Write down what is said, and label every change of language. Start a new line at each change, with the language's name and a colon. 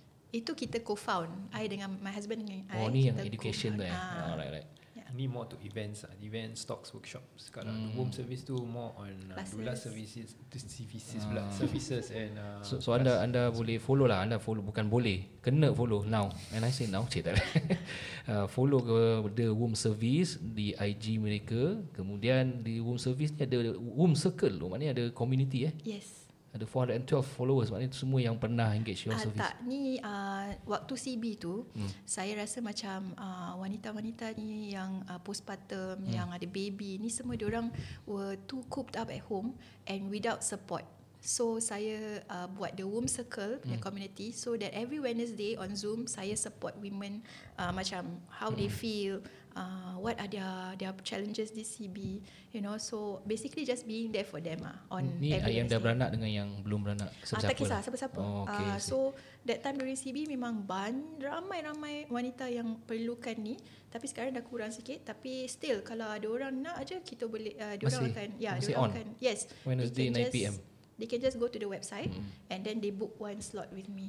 Malay: Itu kita co-found, I dengan
English: my husband
Malay: dengan I. Oh, ni yang education tu
English: Ni more to events lah, events, talks, workshops. Sekarang the womb service tu more on doula services, pula, services and
Malay: So anda boleh follow lah, anda follow, bukan boleh, kena follow now.
English: And I say now,
Malay: cik tak
English: follow ke the womb service
Malay: di IG mereka. Kemudian di womb service ni ada womb circle, maknanya ada community
English: Yes.
Malay: Ada 412 followers, maknanya itu semua yang pernah engage your service. Tak, ni waktu CB tu, saya rasa macam wanita-wanita ni yang postpartum, yang ada baby, ni semua diorang
English: were too cooped up at home and without support. So,
Malay: saya buat
English: the womb circle, the community, so that every Wednesday on Zoom, saya support women macam how they feel, what are their challenges this CB, you know. So basically just being there for them on
Malay: ni every yang dah beranak dengan yang belum beranak, tak kisah siapa-siapa.
English: So that time during CB
Malay: memang ramai-ramai wanita yang perlukan ni, tapi sekarang dah kurang sikit. Tapi still kalau ada orang nak aja, kita boleh masih on.
English: Yes, Wednesday 9 PM. They can just go to the website and then they book one slot with me.